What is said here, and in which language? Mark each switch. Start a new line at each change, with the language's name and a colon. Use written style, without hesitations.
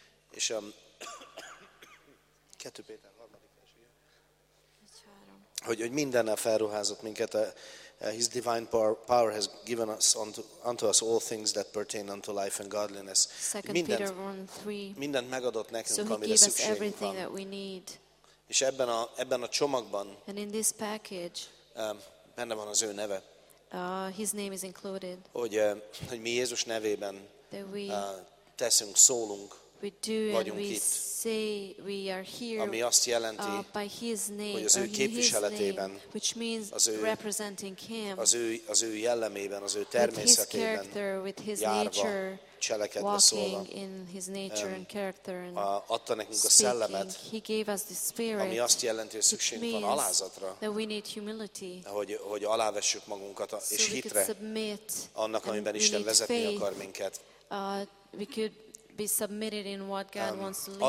Hungarian: És 2 Péter, harmadik vers, igen. Hogy mindene felruházott minket a
English: His divine power has given us unto us all things that pertain unto life and godliness. 2 Peter 1:3.
Hungarian: Mindent megadott nekünk,
English: so
Hungarian: amire szükségünk van.
English: So he gave us everything that we need.
Hungarian: És ebben a csomagban.
English: And in this package.
Hungarian: Benne van az ő neve.
English: His name is included.
Hungarian: Hogy mi Jézus nevében.
English: That we
Hungarian: teszünk, szólunk.
English: We do and we say we are here.
Hungarian: Ami azt jelenti,
English: by his name,
Hungarian: hogy az ő képviseletében,
English: which means
Hungarian: az ő,
English: representing him,
Hungarian: az ő jellemében, az ő természetében,
English: with his
Hungarian: járva, cselekedve,
English: walking
Hungarian: szóval,
English: in his nature and character and
Hungarian: adta nekünk a szellemet,
English: he gave us the spirit,
Hungarian: ami azt jelenti, hogy szükségünk van alázatra,
English: that we need humility,
Hungarian: hogy alávessük magunkat és hitre annak, amiben Isten vezetni akar minket.
English: We could be submitted in what God wants to lead us.